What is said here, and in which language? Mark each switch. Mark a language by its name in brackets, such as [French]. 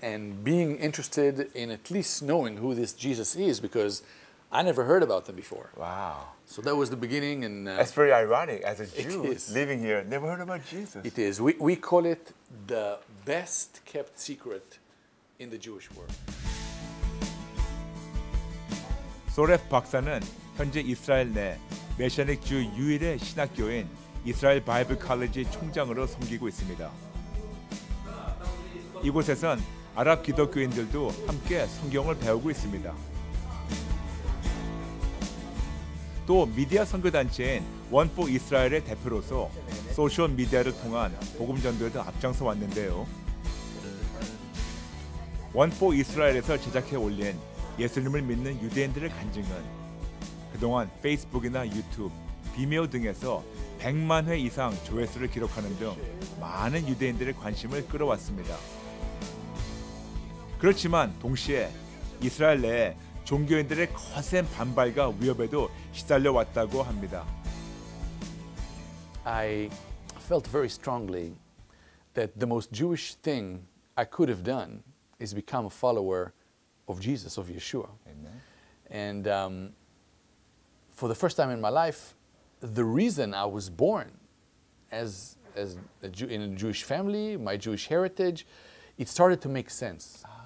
[English] and being interested in at least knowing who this Jesus is, because I never heard about them before. Wow. So that was the beginning. And that's very ironic. As a Jew living here, never heard about Jesus. It is. We call it the best kept secret in the Jewish world. [Korean] 소레프 박사는 현재 이스라엘 내 메시아닉 주 유일의 신학교인 이스라엘 바이블 칼리지 총장으로 섬기고 있습니다. 이곳에선 아랍 기독교인들도 함께 성경을 배우고 있습니다. 또 미디어 선교단체인 One for Israel의 대표로서 소셜미디어를 통한 복음 전도에도 앞장서 왔는데요. One for Israel에서 제작해 올린 예수님을 믿는 유대인들의 간증은 그동안 페이스북이나 유튜브, 비메오 등에서 100만 회 이상 조회수를 기록하는 등 많은 유대인들의 관심을 끌어왔습니다. 그렇지만 동시에 이스라엘 내에 종교인들의 거센 반발과 위협에도 시달려 왔다고 합니다. [English] I felt very strongly that the most Jewish thing I could have done is become a follower of Jesus, of Yeshua. Amen. And for the first time in my life, the reason I was born as a Jew, in a Jewish family, my Jewish heritage, it started to make sense.